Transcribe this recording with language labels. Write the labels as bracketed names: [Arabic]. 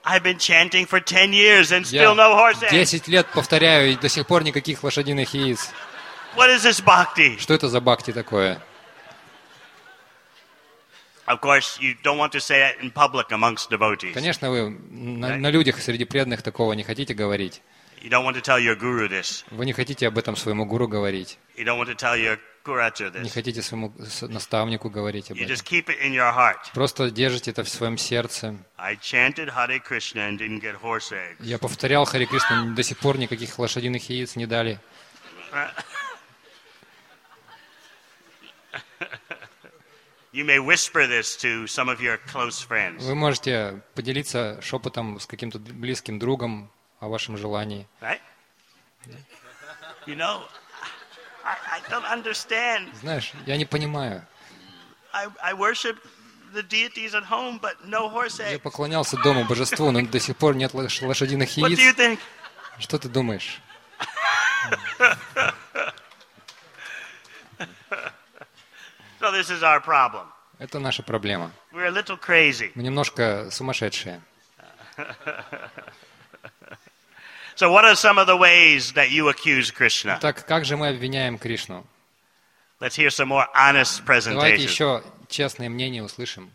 [English] I've been chanting for 10 years and still no horse eggs. [Russian] 10 лет повторяю, и до сих пор никаких лошадиных яиц. [English] What is this bhakti? [Russian] Что это за бхакти такое? [English] Of course, you don't want to say that in public amongst devotees. [Russian] Конечно, вы на людях среди преданных такого не хотите говорить. [English] You don't want to tell your guru this. [Russian] Вы не хотите об этом своему гуру говорить. [English] You don't want to tell your guru this. [Russian] Не хотите своему наставнику говорить об этом. [English] You just keep it in your heart. [Russian] Просто держите это в своем сердце. [English] I chanted Hare Krishna and didn't get horse eggs. [Russian] Я повторял Харе Кришна, до сих пор никаких лошадиных яиц не дали. [English] You may whisper this to some of your close friends. [Russian] Вы можете поделиться шепотом с каким-то близким другом о вашем желании. [English] Right? You know, I don't understand. [Russian] Знаешь, я не понимаю. [English] I worship the deities at home, but no horse eggs. [Russian] Я поклонялся дому божеству, но до сих пор нет лошадиных яиц. [English] What do you think? [Russian] Что ты думаешь? [English] So this is our problem. [Russian] Это наша проблема. [English] We're a little crazy. [Russian] Мы немножко сумасшедшие. [English] So what are some of the ways that you accuse Krishna? [Russian] Так как же мы обвиняем Кришну? [English] Let's hear some more honest presentations. [Russian] Давайте еще честное мнение услышим.